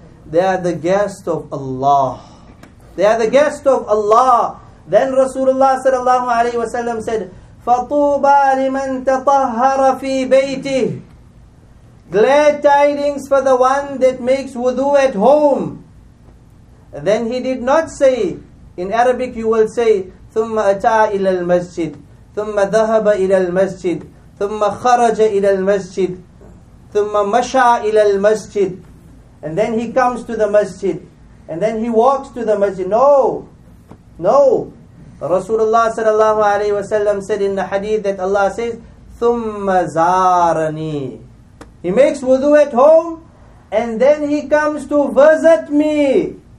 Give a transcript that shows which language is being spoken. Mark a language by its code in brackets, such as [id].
[en] They are the guest of Allah. They are the guest of Allah. Then Rasulullah sallallahu alayhi wa sallam said, [ar] فَطُوبَى لِمَن تَطَهَّرَ فِي بَيْتِهِ. [en] Glad tidings for the one that makes wudu at home. Then he did not say, in Arabic you will say, [ar] ثُمَّ أَتَى إِلَى الْمَسْجِدِ ثُمَّ ذَهَبَ إِلَى الْمَسْجِدِ ثُمَّ خَرَجَ إِلَى الْمَسْجِدِ ثُمَّ مَشَى إِلَى الْمَسْجِدِ. [en] And then he comes to the masjid. And then he walks to the masjid. No. No. Rasulullah sallallahu alayhi wa sallam said in the hadith that Allah says, [ar] ثُمَّ زَارَنِي. [en] He makes wudu at home. And then he comes to visit me.